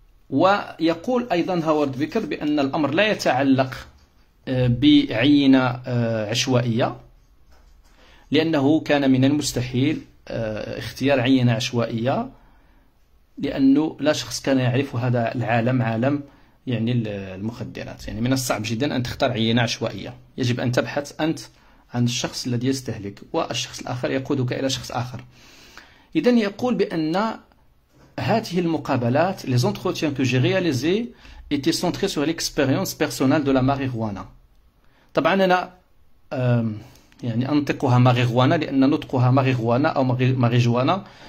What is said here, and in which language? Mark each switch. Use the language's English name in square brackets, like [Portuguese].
[Arabic] ويقول أيضا هوارد بيكر بأن الأمر لا يتعلق بعينة عشوائية لأنه كان من المستحيل اختيار عينة عشوائية لأنه لا شخص كان يعرف هذا العالم عالم يعني المخدرات، يعني من الصعب جدا أن تختار عينة عشوائية، يجب أن تبحث أنت عن الشخص الذي يستهلك والشخص الآخر يقودك إلى شخص آخر. إذن يقول بأن هذه المقابلات [French] les entretiens que j'ai réalisés étaient centrés sur l'expérience personnelle de la marijuana. [Arabic] طبعا انا يعني انطقها ماريجوانا لان نطقها ماريجوانا او ماريجوانا.